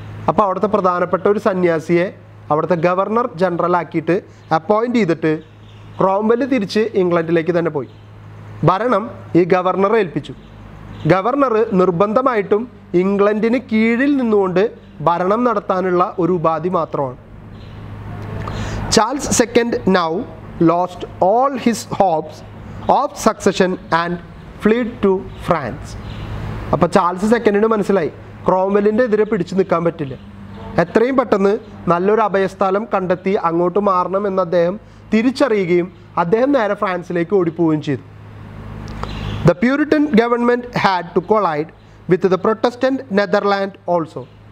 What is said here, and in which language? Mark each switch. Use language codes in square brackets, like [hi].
[ml] അപ്പോൾ അവിടുത്തെ പ്രധാനപ്പെട്ട ഒരു സന്യാസിയെ അവിടുത്തെ ഗവർണർ ജനറലാക്കിയിട്ട് അപ്പോയിൻറ്റ് ചെയ്തിട്ട് ക്രോംവെല് തിരിച്ച് ഇംഗ്ലണ്ടിലേക്ക് തന്നെ പോയി. ഭരണം ഈ ഗവർണറെ ഏൽപ്പിച്ചു. ഗവർണർ നിർബന്ധമായിട്ടും ഇംഗ്ലണ്ടിന് കീഴിൽ നിന്നുകൊണ്ട് ഭരണം നടത്താനുള്ള ഒരു ഉപാധി മാത്രമാണ്. [en] Charles second now lost all his hopes of succession and fled to France. [ml] അപ്പൊ ചാൾസ് സെക്കൻഡിന് മനസ്സിലായി ക്രോംവെല്ലിൻ്റെ എതിരെ പിടിച്ചു നിൽക്കാൻ പറ്റില്ല. എത്രയും പെട്ടെന്ന് നല്ലൊരു അഭയസ്ഥലം കണ്ടെത്തി അങ്ങോട്ട് മാറണം എന്ന് അദ്ദേഹം തിരിച്ചറിയുകയും അദ്ദേഹം നേരെ ഫ്രാൻസിലേക്ക് ഓടിപ്പോവുകയും ചെയ്തു. [en] The Puritan government had to collide with the Protestant Netherland also.